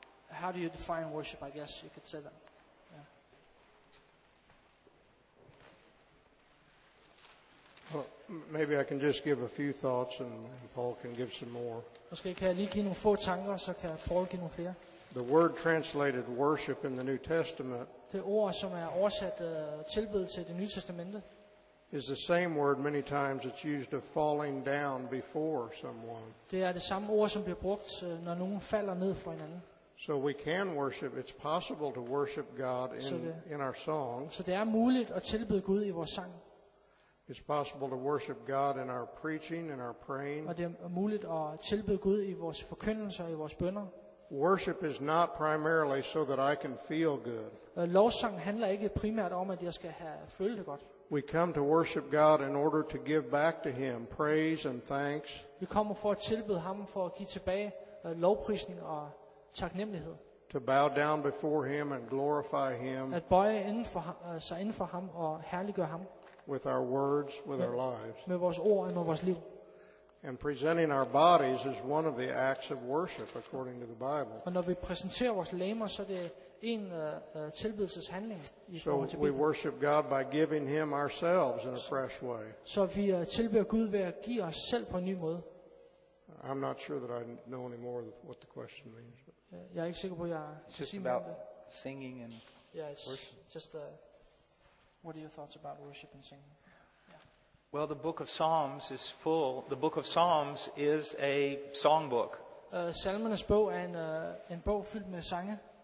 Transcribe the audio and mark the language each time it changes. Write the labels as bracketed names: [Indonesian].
[English] How do you define worship? I guess you could say that. Yeah. Well, maybe I can just give a few thoughts, and Paul can give some more. [Danish] Måske kan jeg lige give nogle få tanker, så kan Paul give nogle flere. [English] The word translated worship in the New Testament. [Danish] Det ord, som er oversat tilbedelse til det Nye Testamente. [English] Is the same word many times it's used of falling down before someone. [Danish] Det er det samme ord som bliver brugt når nogen falder ned for hinanden. [English] So we can worship, it's possible to worship God in our songs. [Danish] Så det er muligt at tilbede Gud i vores sang. [English] It's possible to worship God in our preaching and our praying. [Danish] Og det er muligt at tilbede Gud i vores forkyndelser og i vores bønner. [English] Worship is not primarily so that I can feel good. [Danish] Lovsang handler ikke primært om at jeg skal have føle det godt. [English] We come to worship God in order to give back to Him praise and thanks. [Danish] Vi kommer for at tilbede ham for at give tilbage lovprisning og taknemmelighed. [English] To bow down before Him and glorify Him. [Danish] At bøje inden for sig inden for ham og herliggøre ham. [English] With our words, with our lives. [Danish] Med vores ord og med vores liv. [English] And presenting our bodies is one of the acts of worship according to the Bible. [Danish] Og når vi præsenterer vores lemmer, så er det en tilbedelseshandling i forhold til Bibelen. [English] So we worship God by giving Him ourselves in a fresh way. [Danish] Så vi tilbeder Gud ved at give os selv på en ny måde. [English] I'm not sure that I know any more what the question means. [Danish] Jeg er ikke sikker på, jeg kan sige mere om det. [English] Singing and worship. Just what are your thoughts about worship and singing? Well, the book of Psalms is full. The book of Psalms is a songbook. [Danish] Salmernes bog er en bog fyldt med sange.